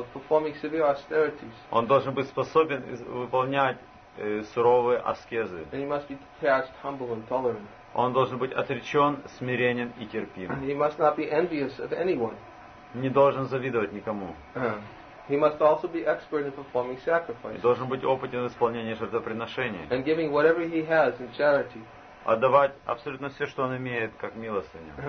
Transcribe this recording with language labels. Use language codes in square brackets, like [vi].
[ru] Он должен быть способен выполнять суровые аскезы. [en] And he must be detached, humble and tolerant. [ru] Он должен быть отречен, смиренен и терпим. [en] And he must not be envious of anyone. [ru] Не должен завидовать никому. [en] He must also be expert in performing sacrifices. [ru] И должен быть опытен в исполнении жертвоприношения. [en] And giving whatever he has in charity. [ru] Отдавать абсолютно все, что он имеет, как милостыню.